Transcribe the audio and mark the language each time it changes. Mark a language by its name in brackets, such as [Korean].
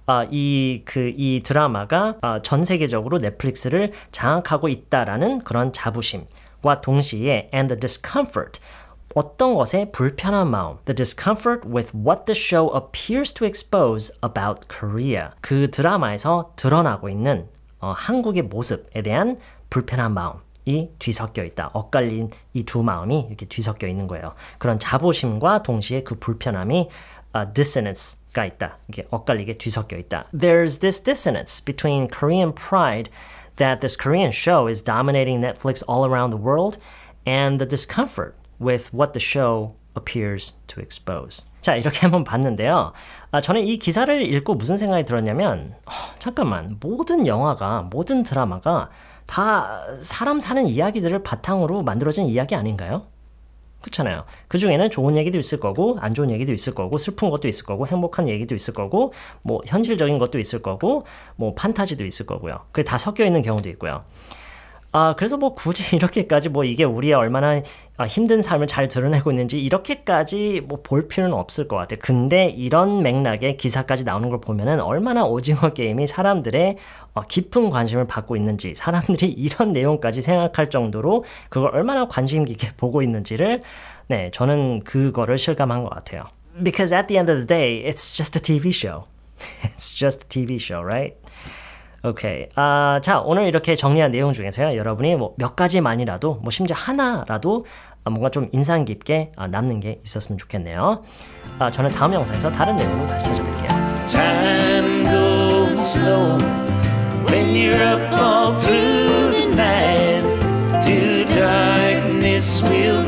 [Korean] 이 드라마가 전 세계적으로 넷플릭스를 장악하고 있다라는 그런 자부심과 동시에 [English] and the discomfort [Korean] 어떤 것에 불편한 마음 [English] the discomfort with what the show appears to expose about Korea [Korean] 그 드라마에서 드러나고 있는 한국의 모습에 대한 불편한 마음 이 뒤섞여 있다. 엇갈린 이 두 마음이 이렇게 뒤섞여 있는 거예요. 그런 자부심과 동시에 그 불편함이 dissonance가 있다. 이게 엇갈리게 뒤섞여 있다. [English] There's this dissonance between Korean pride that this Korean show is dominating Netflix all around the world and the discomfort with what the show appears to expose. [Korean] 자, 이렇게 한번 봤는데요. 저는 이 기사를 읽고 무슨 생각이 들었냐면 잠깐만, 모든 영화가, 모든 드라마가 다 사람 사는 이야기들을 바탕으로 만들어진 이야기 아닌가요? 그렇잖아요. 그 중에는 좋은 얘기도 있을 거고 안 좋은 얘기도 있을 거고 슬픈 것도 있을 거고 행복한 얘기도 있을 거고 뭐 현실적인 것도 있을 거고 뭐 판타지도 있을 거고요. 그게 다 섞여 있는 경우도 있고요. 그래서 뭐 굳이 이렇게까지 뭐 이게 우리의 얼마나 힘든 삶을 잘 드러내고 있는지 이렇게까지 뭐 볼 필요는 없을 것 같아요. 근데 이런 맥락의 기사까지 나오는 걸 보면은 얼마나 오징어 게임이 사람들의 깊은 관심을 받고 있는지 사람들이 이런 내용까지 생각할 정도로 그걸 얼마나 관심 깊게 보고 있는지를 네 저는 그거를 실감한 것 같아요. [English] Because at the end of the day, it's just a TV show. It's just a TV show, right? 오케이. [Korean] 자, 오늘 이렇게 정리한 내용 중에서요. 여러분이 뭐 몇 가지만이라도, 뭐 심지어 하나라도 뭔가 좀 인상 깊게 남는 게 있었으면 좋겠네요. 저는 다음 영상에서 다른 내용으로 다시 찾아뵐게요. [English] Time goes slow when you're up all through the night to darkness with